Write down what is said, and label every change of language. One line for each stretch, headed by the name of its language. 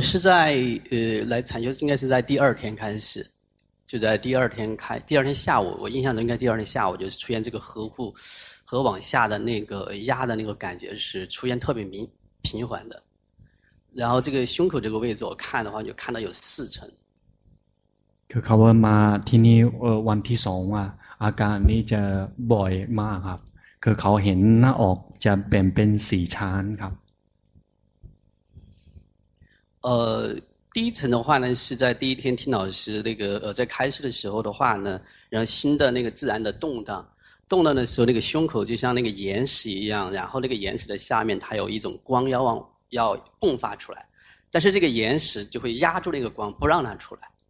Chinese: 是在来禅修应该是在第二天开始就在第二天开第二天下午我印象中应该第二天下午就是出现这个呵护和往下的那个压的那个感觉是出现特别明频繁的然后这个胸口这个位置我看的话就看到有四层
Thai: คือเขาว่ามาที่นี่วันที่สองอ่ะอาการนี้จะบ่อยมากครับคือเขาเห็นหน้าออกจะเปลี่ยนเป็นสี่ชั้นครับ
Chinese: 第一层的话呢是在第一天听老师那个在开示的时候的话呢然后心的那个自然的动荡动荡的时候那个胸口就像那个岩石一样然后那个岩石的下面它有一种光要迸发出来但是这个岩石就会压住那个光不让它出来